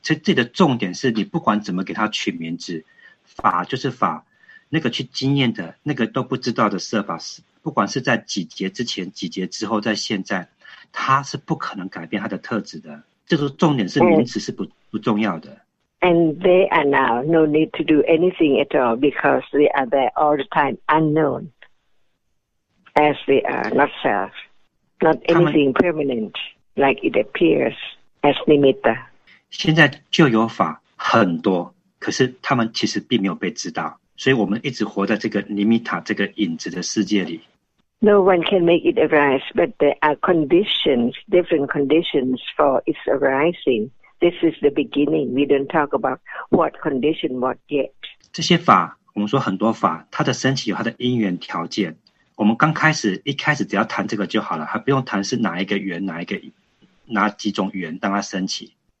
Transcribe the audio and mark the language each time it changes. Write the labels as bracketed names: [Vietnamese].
[Chinese] 这里的重点是你不管怎么给它取名字，法就是法，那个去经验的那个都不知道的设法，不管是在几劫之前几劫之后在现在，它是不可能改变它的特质的。这个重点是名词是 不重要的。 [English] And they are now no need to do anything at all because they are there all the time unknown as they are, not self, not anything permanent like it appears as nimitta. [Chinese] 现在就有法很多，可是他们其实并没有被知道，所以我们一直活在这个 nimitta 这个影子的世界里。 [English] No one can make it arise, but there are conditions, different conditions for its arising. This is the beginning. We don't talk about what condition, what yet. [Chinese] 这些法，我们说很多法，它的升起有它的因缘条件。我们刚开始，一开始只要谈这个就好了，还不用谈是哪一个缘，哪几种缘让它升起。